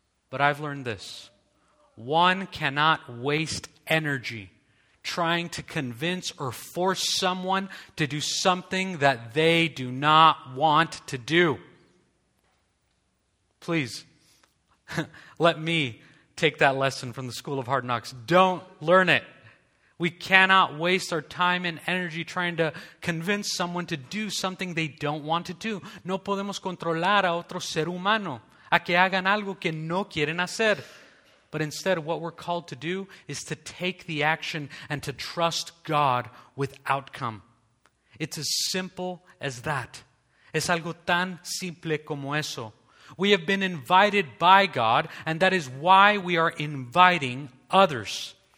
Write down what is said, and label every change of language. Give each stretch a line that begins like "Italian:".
English: But I've learned this. One cannot waste energy trying to convince or force someone to do something that they do not want to do. Please, let me take that lesson from the School of Hard Knocks. Don't learn it. We cannot waste our time and energy trying to convince someone to do something they don't want to do.
Spanish: No podemos controlar a otro ser humano a que hagan algo que no quieren hacer.
English: But instead, what we're called to do is to take the action and to trust God with outcome. It's as simple as that.
Spanish: Es algo tan simple como eso.
English: We have been invited by God, and that is why we are inviting others.